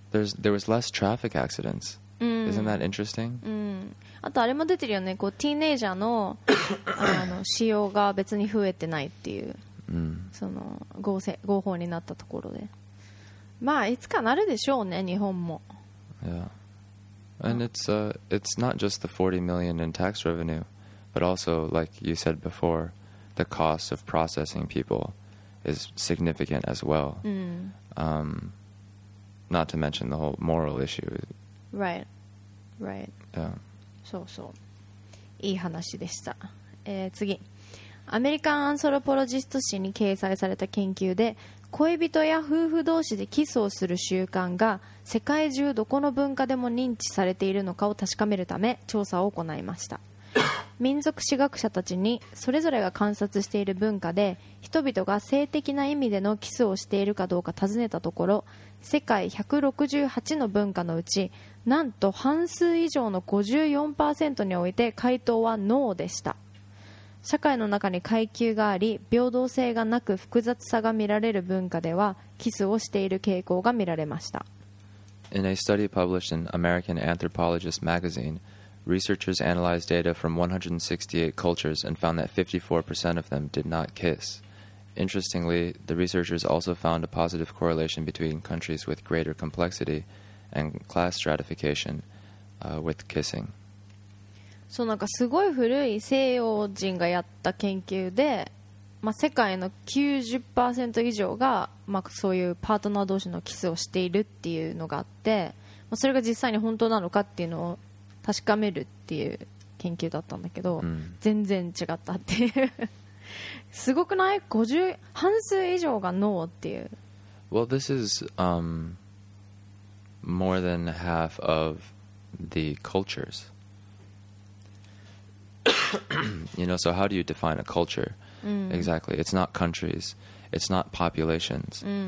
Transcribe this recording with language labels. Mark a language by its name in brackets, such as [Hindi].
[English] There was less traffic accidents. Isn't that interesting? [Japanese] あとあれも出てるよね。こうティーネイジャーの使用が別に増えてないっていう。その合法になったところで。まあいつかなるでしょうね。日本も。 [English] Yeah. And it's not just the $40 million in tax revenue, but also like you said before, the cost of processing people is significant as well. Not to mention the whole moral issue. Right. Right. Yeah. [Japanese] そうそう。いい話でした。次。アメリカンアンソロポロジスト誌に掲載された研究で、恋人や夫婦同士でキスをする習慣が世界中どこの文化でも認知されているのかを確かめるため調査を行いました。民族史学者たちにそれぞれが観察している文化で人々が性的な意味でのキスをしているかどうか尋ねたところ、世界168の文化のうちなんと半数以上の 54% において回答はノーでした。社会の中に階級があり平等性がなく複雑さが見られる文化ではキスをしている傾向が見られました。 [English] In a study published in American Anthropologist MagazineResearchers analyzed data from 168 cultures and found that 54% of them did not kiss. Interestingly, the researchers also found a positive correlation between countries with greater complexity and class stratification, with kissing. [Japanese] そう、なんかすごい古い西洋人がやった研究で、まあ、世界の 90% 以上が、まあ、そういうパートナー同士のキスをしているっていうのがあって、まあ、それが実際に本当なのかっていうのを確かめるっていう研究だったんだけど、 mm. 全然違ったっていう。すごくない ?50 半数以上がノーっていう。 [English] Well, this is more than half of the cultures. You know, so how do you define a culture? Exactly. It's not countries. It's not populations.